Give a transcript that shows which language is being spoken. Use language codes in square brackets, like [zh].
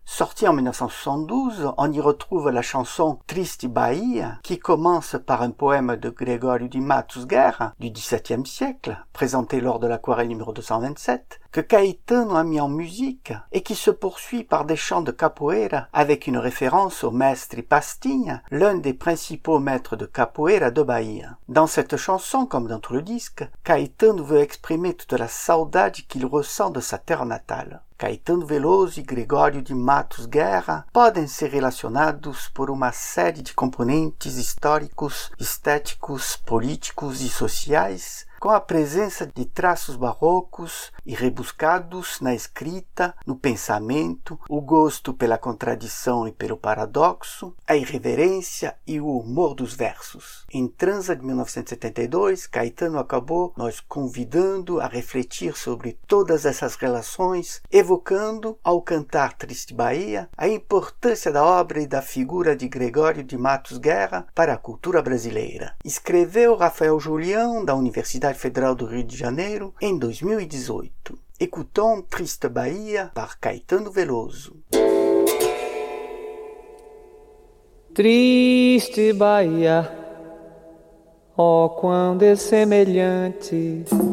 [fr] Sorti en 1972, on y retrouve la chanson Triste Bahia, qui commence par un poème de Gregorio di Matusguerra du XVIIe siècle, présenté lors de l'aquarelle numéro 227, que Caetano a mis en musique et qui se poursuit par des chants de capoeira avec une référence au maestri Pastinha, l'un des principaux maîtres de capoeira de Bahia. Dans cette chanson, comme dans tout le disque, Caetano veut exprimer toute la saudade qu'il ressent de sa terre natale. [pt] Caetano Veloso e Gregorio di Matusguerra podem ser relacionados por uma série de componentes históricos, estéticos, políticos e sociais, com a presença de traços barrocos e rebuscados na escrita, no pensamento, o gosto pela contradição e pelo paradoxo, a irreverência e o humor dos versos. Em Transa de 1972, Caetano acabou nos convidando a refletir sobre todas essas relações, evocando, ao cantar Triste Bahia, a importância da obra e da figura de Gregorio de Matos Guerra para a cultura brasileira. Escreveu Rafael Julião, da Universidade Federal do Rio de Janeiro, em 2018. [fr] Écoutons Triste Bahia par Caetano Veloso. [pt] Triste Bahia, ó, quando é semelhante.